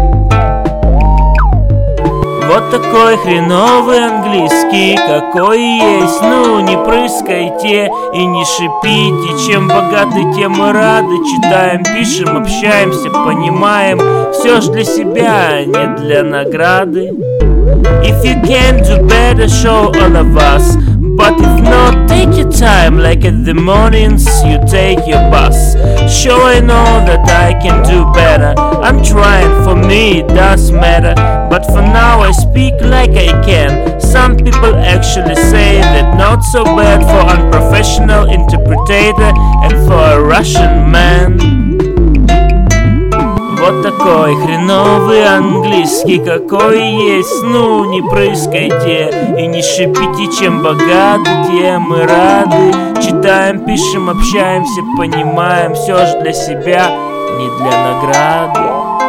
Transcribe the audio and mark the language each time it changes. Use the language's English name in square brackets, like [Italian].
[Russian] Вот такой хреновый английский, какой есть. Ну, не прыскайте и не шипите. Чем богаты, тем мы рады. Читаем, пишем, общаемся, понимаем. Все ж для себя, а не для награды. [English] If you can do better, show all of us. But if not, take your time, like at the mornings you take your bus. Sure I know that I can do better. I'm trying, for me it does matter. But for now I speak like I can. Some people actually say that not so bad for unprofessional interpreter and for a Russian man. [Russian] Вот такой хреновый английский, какой есть. Ну, не прыскайте и не шипите, чем богаты, тем мы рады. Читаем, пишем, общаемся, понимаем. Все ж для себя, не для награды.